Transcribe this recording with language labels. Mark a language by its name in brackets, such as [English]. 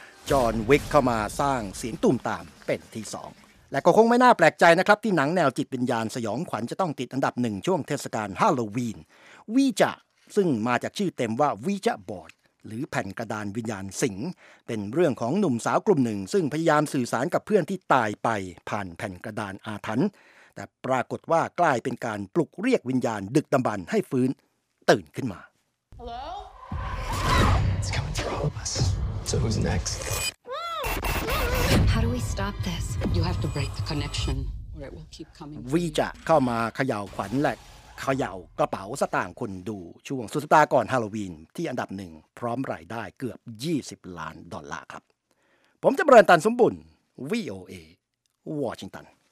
[Thai] John Wick เข้ามาสร้างเสียงตุ่มตามเป็นที่สองและก็คงไม่น่าแปลกใจนะครับที่หนังแนวจิตวิญญาณสยองขวัญจะต้องติดอันดับหนึ่งช่วงเทศกาลฮาโลวีนวีจะซึ่งมาจากชื่อเต็มว่าวีจะบอร์ดหรือแผ่นกระดานวิญญาณสิงเป็นเรื่องของหนุ่มสาวกลุ่มหนึ่งซึ่งพยายามสื่อสารกับเพื่อนที่ตายไปผ่านแผ่นกระดานอาถรรพ์แต่ปรากฏว่ากลายเป็นการปลุกเรียกวิญญาณดึกดำบรรพ์ให้ฟื้นตื่นขึ้นมา [English] Hello? It's coming through all of us. So who's next? How do we stop this? You have to break the connection or it will keep coming. [Thai] วีจะเข้ามาเขย่าขวัญและเขย่ากระเป๋าสตางค์คนดูช่วงสุดสัปดาห์ก่อนฮาโลวีนที่อันดับหนึ่งพร้อมรายได้เกือบ20ล้านดอลลาร์ครับผมจะเบรนตันสมบุญ VOA วอชิงตัน